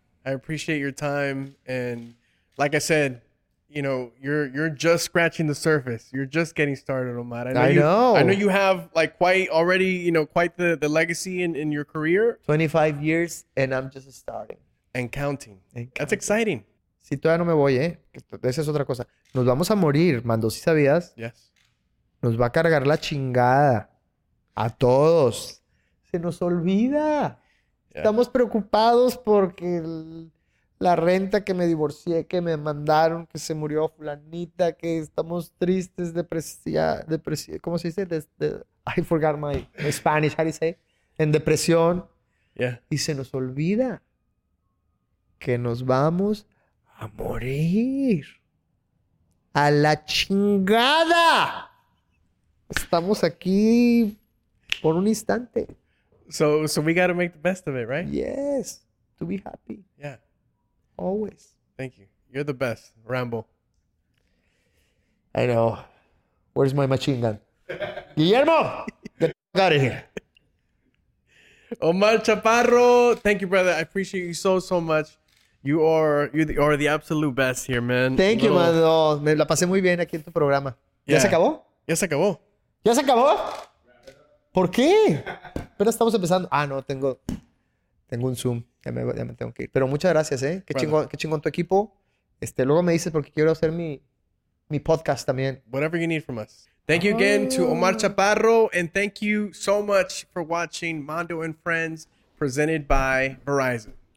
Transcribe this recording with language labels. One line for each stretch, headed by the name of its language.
English: I appreciate your time. And like I said, you know, you're just scratching the surface. You're just getting started, Omar. I know you have like quite already, you know, quite the legacy in your career. 25 years and I'm just starting. And counting. That's exciting.
Spanish: Si todavía no me voy, esa es otra cosa. Nos vamos a morir, Mando, si sabías.
English: Yes.
Spanish: Nos va a cargar la chingada a todos. Se nos olvida.
English: Yeah.
Spanish: Estamos preocupados porque la renta, que me divorcié, que me mandaron, que se murió fulanita, que estamos tristes, depresión, ¿cómo se dice?
English: I forgot my Spanish, how do you say?
Spanish: En depresión.
English: Yeah.
Spanish: Y se nos olvida que nos vamos a morir. ¡A la chingada! Estamos aquí por un instante.
English: So we gotta make the best of it, right? Yes. To be happy. Yeah. Always. Thank you. You're the best, Rambo. I know. Where's my machine gun? Guillermo! Get the fuck out of here. Omar Chaparro, thank you, brother. I appreciate you so, so much. You are the absolute best here, man. Thank you, mano.
Spanish: Me la pasé muy bien aquí en tu programa.
English: Yeah.
Spanish: ¿Ya se acabó? Ya se acabó. ¿Ya se acabó? ¿Por qué? Pero estamos empezando. Ah, no, tengo un Zoom. Ya me tengo que ir. Pero muchas gracias, ¿eh? Qué chingón tu equipo. Luego me dices porque quiero hacer mi podcast también.
English: Whatever you need from us. Thank you again to Omar Chaparro. And thank you so much for watching Mondo and Friends presented by Verizon.